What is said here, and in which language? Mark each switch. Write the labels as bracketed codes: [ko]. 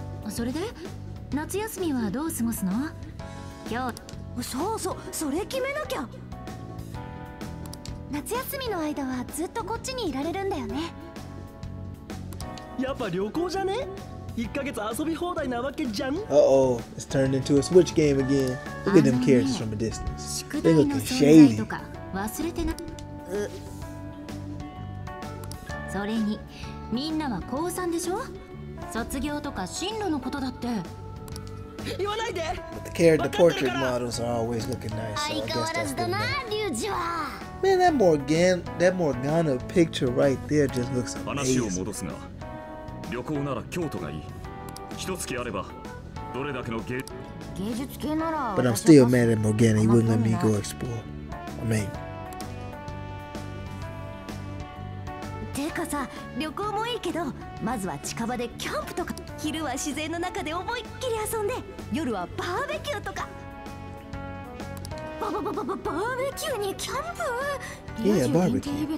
[ja] それで夏休みはどう過ごすの今日。そうそう、それ決めなきゃ。夏休みの間はずっとこっちにいられるんだよね。やっぱ旅行じゃね。 1ヶ月遊び放題なわけじゃん。 [en] Uh-oh, it's turned into a Switch game again. Look at them characters from a distance. They look shady. [ja] 宿題の存在とか忘れてな。それにみんなは高3でしょ。卒業とか進路のことだって言わないで。 [en] The character, the portrait models are always looking nice. So I guess that's good. [ja] だな、リュウジは。 [en] Man, that Morgan, that Morgana picture right there just looks amazing. [ja] 話を戻すが、旅行なら京都がいい。一月あればどれだけの芸術系なら。 [en] But I'm still mad at Morgana. He wouldn't let me go explore. I mean. [ja] てかさ、旅行もいいけど、まずは近場でキャンプとか、昼は自然の中で思いっきり遊んで、夜はバーベキューとか。バーベキューにキャンプ？いや、バーベキュー。